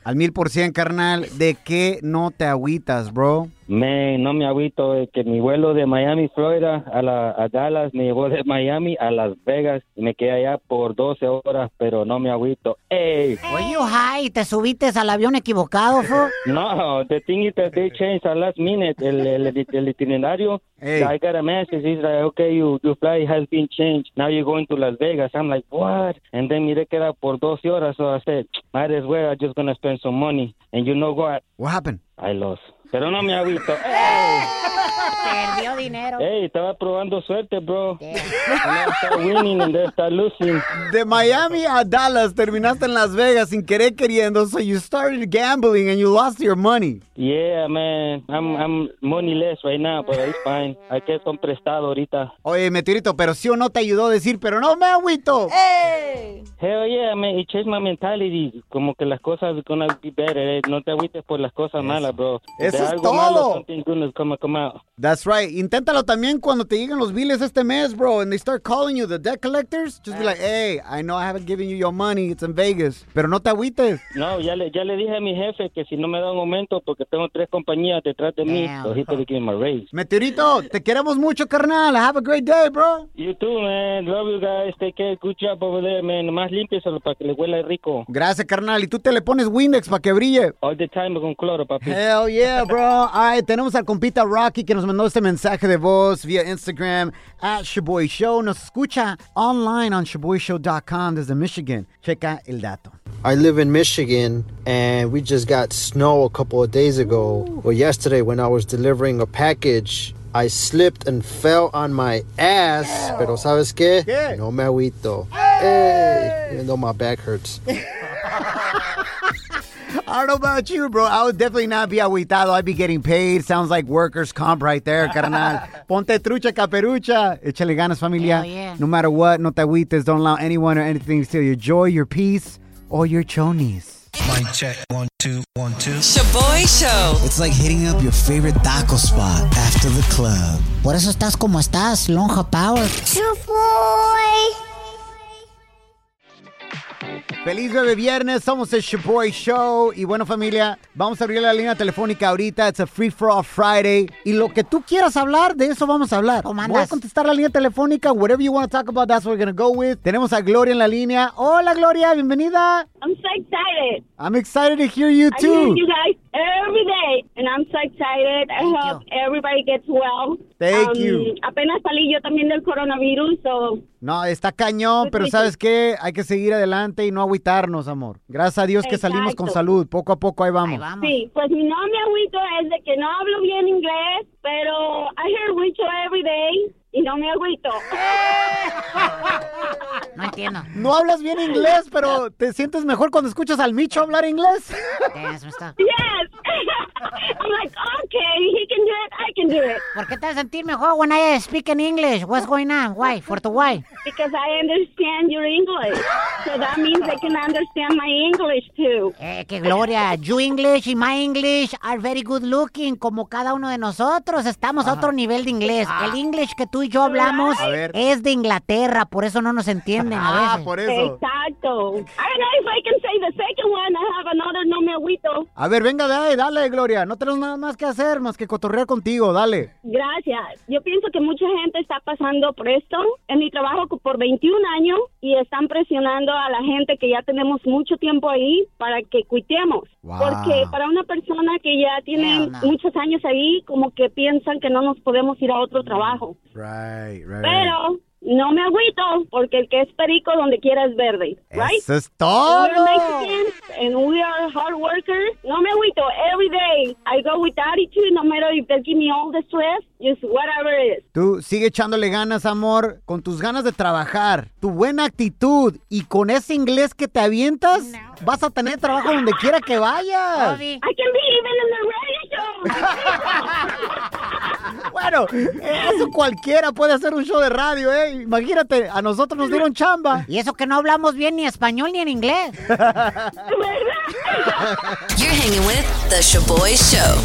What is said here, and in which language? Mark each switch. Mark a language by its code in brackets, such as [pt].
[es] Al 1000%, carnal, ¿de qué no te agüitas, bro? Man, no me agüito de que mi vuelo de Miami, Florida, a Dallas, me llevó de Miami a Las Vegas. Y me quedé allá por 12 horas, pero no me agüito. Ey. [en] Were you high? [es] ¿Te subiste al avión equivocado, bro? [en] No, the thing is that they changed at last minute, [es] el itinerario. Hey. [en] I got a message. He's like, okay, your flight has been changed. Now you're going to Las Vegas. I'm like, what? And then [es] miré que era por 12 horas. [en] So I said, might as well, I'm just going to spend some money. And you know what? What happened? I lost. [es] Pero no me ha visto. Perdió dinero. Hey, estaba probando suerte, bro. [en] Yeah. Winning and start losing. [es] De Miami a Dallas, terminaste en Las Vegas sin querer queriendo. [en] So you started gambling and you lost your money. Yeah, man. I'm moneyless right now, but it's fine. [es] Hay que son prestado ahorita. Oye, Meteorito, pero sí o no te ayudó a decir, pero no me agüito. Hey. [en] Hell yeah, man. It changed my mentality. [es] Como que las cosas [en] are gonna be better. Eh? [es] No te agüites por las cosas malas, bro. Eso es algo todo. [en] Malo, something good is gonna come out. That's right. [es] Inténtalo también cuando te lleguen los biles este mes, bro, [en] and they start calling you, the debt collectors. Just be like, hey, I know I haven't given you your money. It's in Vegas. [es] Pero no te agüites. No, ya le dije a mi jefe que si no me da un aumento porque tengo tres compañías detrás de mí, [en] so he's gonna give me my raise. [es] Meteorito, te queremos mucho, carnal. [en] Have a great day, bro. You too, man. Love you guys. Take care. Good job over there, man. [es] Más limpiéselo para que le huela rico. Gracias, carnal. Y tú te le pones Windex para que brille. [en] All the time [es] con cloro, papi. [en] Hell yeah, bro. All right, [es] tenemos al compita Rocky que nos mandó este mensaje de voz vía Instagram at Shaboy Show. Nos escucha online on shaboyshow.com desde Michigan. Checa el dato. [en] I live in Michigan and we just got snow a couple of days ago. Ooh. Well, yesterday when I was delivering a package, I slipped and fell on my ass. [es] Ew. Pero sabes que? No me agüito. Hey! [en] Even though my back hurts. I don't know about you, bro. I would definitely not be agüitado. I'd be getting paid. Sounds like workers' comp right there, carnal. [es] Ponte trucha, caperucha. Échale ganas, familia. [en] Hell yeah. No matter what, [es] no te agüites. [en] Don't allow anyone or anything to steal your joy, your peace, or your chonies. Mic check. 1, 2, 1, 2. Shaboy Show. It's like hitting up your favorite taco spot after the club. [es] Por eso estás como estás, lonja power. Shaboy. Feliz bebé viernes, somos el Shaboy Show. Y bueno, familia, vamos a abrir la línea telefónica ahorita. [en] It's a free-for-all Friday. [es] Y lo que tú quieras hablar, de eso vamos a hablar. Oh, voy a contestar la línea telefónica. [en] Whatever you want to talk about, that's what we're going to go with. [es] Tenemos a Gloria en la línea. Hola, Gloria, bienvenida. [en] I'm so excited. I'm excited to hear you, too. I hear you guys every day, and I'm so excited. I hope everybody gets well. Thank you. [es] Apenas salí yo también del coronavirus, so... No, está cañón, pero ¿sabes qué? Hay que seguir adelante y no agüitarnos, amor. Gracias a Dios que salimos con salud. Poco a poco, ahí vamos. Sí, pues mi no me agüito es de que no hablo bien inglés, pero [en] I hear Wicho every day. [es] Y no me agüito. No entiendo. No hablas bien inglés, pero ¿te sientes mejor cuando escuchas al Micho hablar inglés? Yes, me está. [en] Yes. I'm like, okay, he can do it, I can do it. [es] ¿Por qué te vas a sentir mejor [en] when I speak in English? What's going on? Why? For the why? Because I understand your English. So that means I can understand my English too. Que Gloria, you English and my English are very good looking. [es] Como cada uno de nosotros, estamos a otro nivel de inglés. El inglés que tú y yo hablamos es de Inglaterra, por eso no nos entienden a veces. Ah, por eso. Exacto. [en] I don't know if I can say the second one. I have another [es] no me agüito. A ver, venga, dale, Gloria. No tenemos nada más que hacer más que cotorrear contigo, dale. Gracias. Yo pienso que mucha gente está pasando por esto. En mi trabajo por 21 años y están presionando a la gente que ya tenemos mucho tiempo ahí para que cuitemos. [en] Wow. [es] Porque para una persona que ya tiene muchos años ahí, como que piensan que no nos podemos ir a otro trabajo. [en] Right, right. [es] Pero No me agüito, porque el que es perico, donde quiera es verde, right? ¡Eso es todo! [en] We're Mexicans, and we are hard workers. [es] No me agüito, [en] every day. I go with attitude, no matter if they give me all the stress, just whatever it is. [es] Tú sigue echándole ganas, amor, con tus ganas de trabajar, tu buena actitud, y con ese inglés que te avientas, no. Vas a tener trabajo donde quiera que vayas. Bobby. [en] I can be even in the radio show. [es] Bueno, eso cualquiera puede hacer un show de radio, ¿eh? Imagínate, a nosotros nos dieron chamba. Y eso que no hablamos bien ni español ni en inglés. [en] You're hanging with the Sha'Boy Show.